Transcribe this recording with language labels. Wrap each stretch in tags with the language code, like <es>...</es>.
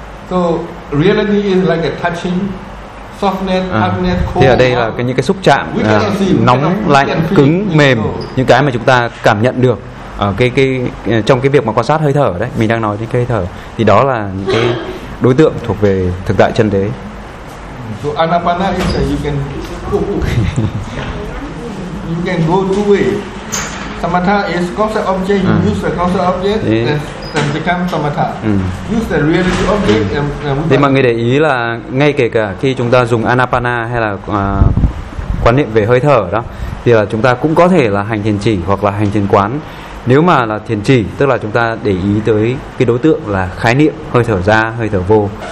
<en>So reality is like a touching, softness, hardness, cold.</en> <vi>Thì ở đây là cái những cái xúc chạm nóng, lạnh, cứng, mềm, những cái mà chúng ta cảm nhận được ở cái trong cái việc mà quan sát hơi thở đấy, mình đang nói đến cái hơi thở thì đó là những cái đối tượng thuộc về thực tại chân đế.</vi> <en>So anapana is that you can you can go two way. Samatha is concept object. You use the concept object and become samatha. Use the reality object.</en> <vi>Thì mọi người để ý là ngay kể cả khi chúng ta dùng anapana hay là quan niệm về hơi thở đó, thì là chúng ta cũng có thể là hành thiền chỉ hoặc là hành thiền quán. Nếu mà là thiền chỉ, tức là chúng ta để ý tới cái đối tượng là khái niệm hơi thở ra, hơi thở vô.</vi>